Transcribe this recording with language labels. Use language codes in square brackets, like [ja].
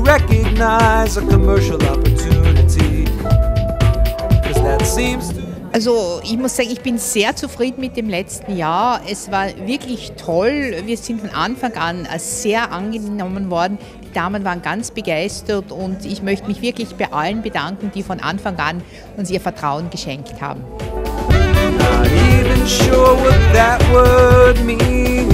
[en] recognize a commercial opportunity. 'Cause that seems to. [de] Also ich muss sagen, ich bin sehr zufrieden mit dem letzten Jahr. Es war wirklich toll. Wir sind von Anfang an sehr angenommen worden. Die Damen waren ganz begeistert und ich möchte mich wirklich bei allen bedanken, die von Anfang an uns ihr Vertrauen geschenkt haben. [en] Not even sure what that word means.